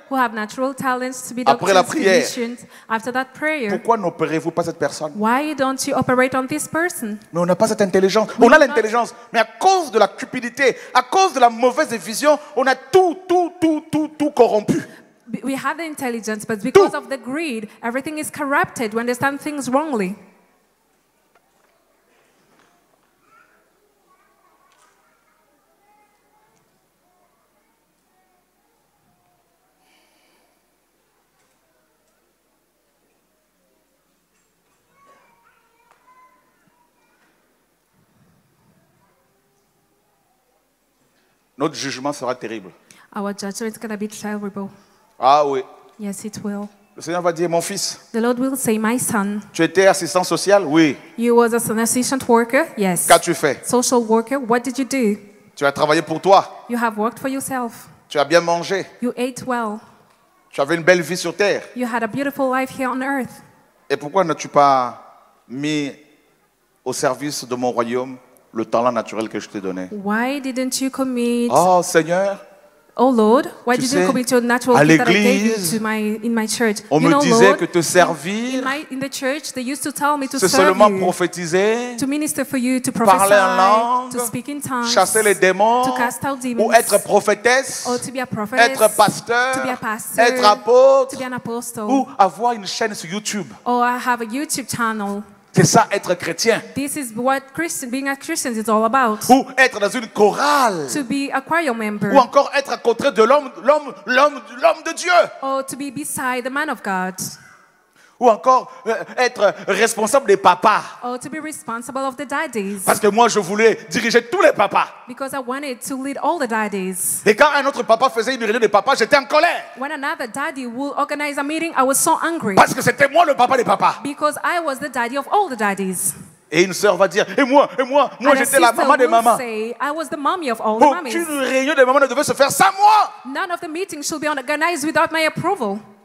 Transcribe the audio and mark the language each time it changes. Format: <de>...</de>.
<en>Who have natural talents to be doctors?</en> <fr>Après la prière.</fr> <en>After that prayer.</en> <fr>Pourquoi n'opérez-vous pas cette personne?</fr> <en>Why don't you operate on this person?</en> <fr>Mais on n'a pas cette intelligence.</fr> <en>We</en> <fr>on a l'intelligence,</fr> <en>not...</en> <fr>mais à cause de la cupidité, à cause de la mauvaise vision, on a tout corrompu.</fr> <en>We have the intelligence, but because</en> <fr>tout.</fr> <en>Of the greed, everything is corrupted. We understand things wrongly.</en> <fr>Notre jugement sera terrible.</fr> <en>Our judgment is going to be terrible.</en> <fr>Ah oui.</fr> <en>Yes, it will.</en> <fr>Le Seigneur va dire, mon fils.</fr> <en>The Lord will say, my son.</en> <fr>Tu étais assistant social, oui.</fr> <en>You was an assistant worker, yes.</en> <fr>Qu'as-tu fait?</fr> <en>Social worker, what did you do?</en> <fr>Tu as travaillé pour toi.</fr> <en>You have worked for yourself.</en> <fr>Tu as bien mangé.</fr> <en>You ate well.</en> <fr>Tu avais une belle vie sur terre.</fr> <en>You had a beautiful life here on earth.</en> <fr>Et pourquoi n'as-tu pas mis au service de mon royaume le talent naturel que je t'ai donné?</fr> <en>Why didn't you commit?</en> <fr>Oh Seigneur.</fr> <en>Oh Lord, why did you commit your natural gift that I gave you to my in my church?</en> <fr>On me disait</fr> <en>Lord,</en> <fr>que te servir.</fr> <en>In the church, they used to tell me to serve.</en> <fr>C'est seulement prophétiser.</fr> <en>To minister for you, to prophesy.</en> <fr>Parler en langue.</fr> <en>To speak in tongues.</en> <fr>Chasser les démons.</fr> <en>To cast out demons.</en> <fr>Ou être prophétesse.</fr> <en>Or to be a prophet.</en> <fr>Être pasteur.</fr> <en>To be a pastor.</en> <fr>Être apôtre.</fr> <en>To be an apostle.</en> <fr>Ou avoir une chaîne sur YouTube.</fr> <en>Or I have a YouTube channel.</en> <fr>C'est ça être chrétien.</fr> <en>This is what Christian, being a Christian is all about.</en> <fr>Ou être dans une chorale.</fr> <en>To be a choir member.</en> <fr>Ou encore être à côté de l'homme de Dieu.</fr> <en>Or to be beside the man of God.</en> <fr>Ou encore être responsable des papas.</fr> <en>Or to be responsible of the daddies.</en> <fr>Parce que moi je voulais diriger tous les papas.</fr> <en>Because I wanted to lead all the daddies.</en> <fr>Et quand un autre papa faisait une réunion des papas, j'étais en colère.</fr> <en>When another daddy would organize a meeting, I was so angry.</en> <fr>Parce que c'était moi le papa des papas.</fr> <en>Because I was the daddy of all the daddies.</en> <fr>Et une sœur va dire, et moi, j'étais la maman des mamans.</fr> <en>Say, I was the mommy of all</en> <fr>aucune</fr> <en>the mommies.</en> <fr>Réunion des mamans ne devait se faire sans moi.</fr> <en>None of the meetings should be organized without my approval.</en>